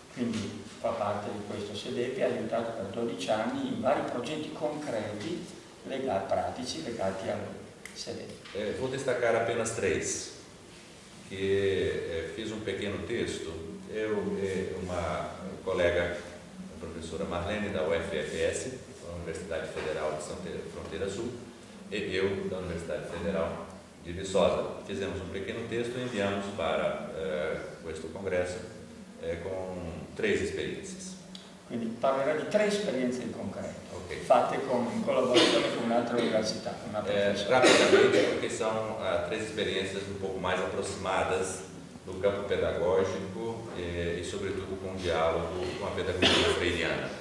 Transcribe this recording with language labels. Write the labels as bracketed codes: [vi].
[it] Quindi fa parte di questo CEDEP, ha aiutato per 12 anni in vari progetti concreti legati al CEDEP. [pt] Vou destacar apenas 3, que fiz um pequeno texto. Eu e uma colega, a professora Marlene, da UFFS, Universidade Federal de Fronteira Sul, e eu, da Universidade Federal de Viçosa. Fizemos um pequeno texto e enviamos para este congresso com 3 experiências. [it] Quindi parlerà di 3 esperienze in concreto, [en] okay, [it] fatte in collaborazione con un'altra università, una professora. Rapidamente, perché sono 3 esperienze un po' più approssimate [pt] no campo [it] pedagogico e soprattutto con un dialogo con la pedagogia freiriana.